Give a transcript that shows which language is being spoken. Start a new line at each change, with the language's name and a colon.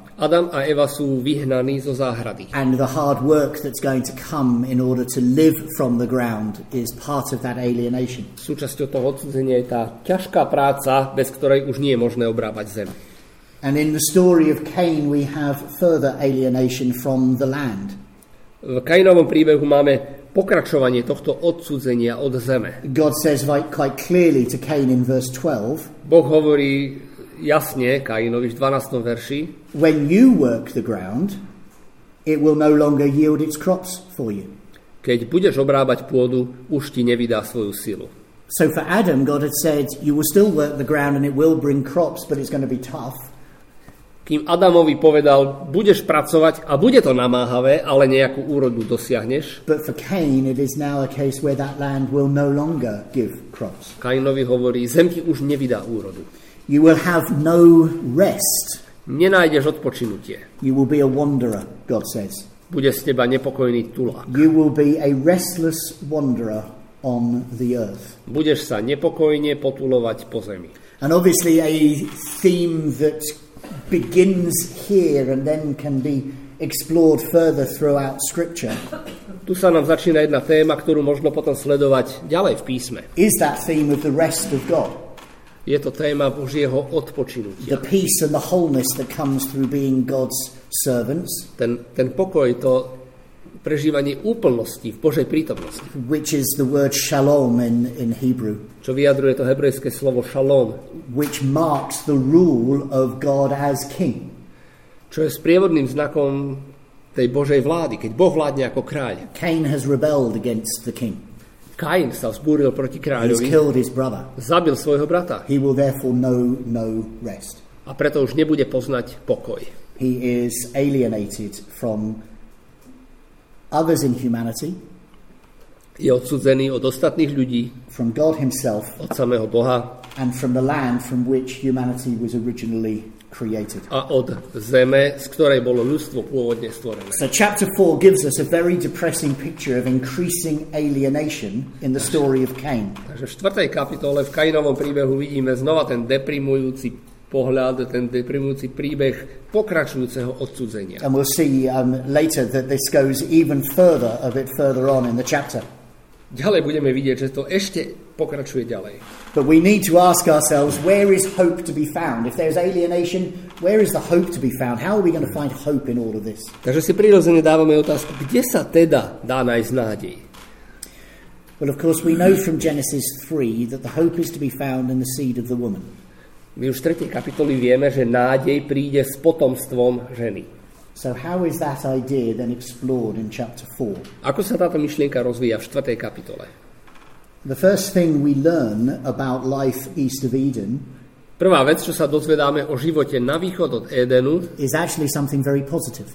Slovak: Adam a Eva sú vyhnaní zo záhrady.
English: And the hard work that's going to come in order to live from the ground is part of that alienation.
Slovak: Súčasťou toho odsúdenia je tá ťažká práca, bez ktorej už nie je možné obrábať zem.
English: And in the story of Cain we have further alienation from the land.
Slovak: V Kainovom príbehu máme pokračovanie tohto odsúdenia od zeme.
English: God says quite clearly to Cain in verse 12.
Slovak: Boh hovorí jasne Kainovi v 12. verši.
English: When you work the ground, it will no longer yield its crops for you.
Slovak: Keď budeš obrábať pôdu, už ti nevydá svoju silu.
English: So for Adam God had said you will still work the ground and it will bring crops, but it's going to be tough.
Slovak: Kým Adamovi povedal, budeš pracovať a bude to namáhavé, ale nejakú úrodu dosiahneš.
English: But for Cain it is now a case where that land will no longer give crops.
Slovak: Kainovi hovorí, zem ti už nevydá úrodu.
English: You will have no rest.
Slovak: Nenájdeš odpočinutie.
English: You will be a wanderer, God says.
Slovak: Bude z teba nepokojný tulák.
English: You will be a restless wanderer on the earth.
Slovak: Budeš sa nepokojne potulovať po zemi.
English: And obviously a theme that begins here and then can be explored further throughout scripture.
Slovak: Tu sa nám začína jedna téma, ktorú možno potom sledovať ďalej v písme.
English: Is that theme of the rest of God?
Slovak: Je to téma Božieho odpočinutia.
English: The peace and the wholeness that comes through being God's servants.
Slovak: Ten pokoj, to prežívanie úplnosti v Božej prítomnosti.
English: Which is the word shalom in Hebrew.
Slovak: Čo vyjadruje to hebrejské slovo shalom.
English: Which marks the rule of God as king.
Slovak: Čo je sprievodným znakom tej Božej vlády, keď Boh vládne ako kráľ.
English: Cain has rebelled against the king.
Slovak: Kain sa vzbúril proti kráľovi.
English: He's killed his brother.
Slovak: Zabil svojho brata.
English: He will therefore know no rest.
Slovak: A preto už nebude poznať pokoj.
English: He is alienated from others in humanity.
Slovak: Je odsúdený od ostatných ľudí.
English: From God himself.
Slovak: Od samého Boha.
English: And from the land from which humanity was originally created.
Slovak: A od zeme, z ktorej bolo ľudstvo pôvodne stvorené.
English: So chapter 4 gives us a very depressing picture of increasing alienation in the story of Cain.
Slovak: Takže v 4. kapitole v Kainovom príbehu vidíme znova ten deprimujúci pohľad, ten deprimujúci príbeh pokračujúceho odsúdenia.
English: And we'll see later that this goes even further, a bit further on in the chapter.
Slovak: Ďalej budeme vidieť, že to ešte pokračuje ďalej.
English: But we need to ask ourselves, where is hope to be found? If there's alienation, where is the hope to be found? How are we going to find hope in all of this?
Slovak: Takže si prirodzene dávame otázku, kde sa teda dá nájsť nádej?
English: Well, of course, we know from Genesis 3 that the hope is to be found in the seed of the woman.
Slovak: My už v 3. kapitoli vieme, že nádej príde s potomstvom ženy.
English: So how is that idea then explored in chapter 4?
Slovak: Ako sa táto myšlienka rozvíja v 4. kapitole?
English: The first thing we learn about life east of Eden.
Slovak: Prvá vec, čo sa dozvedáme o živote na východ od Edenu,
English: is actually something very positive.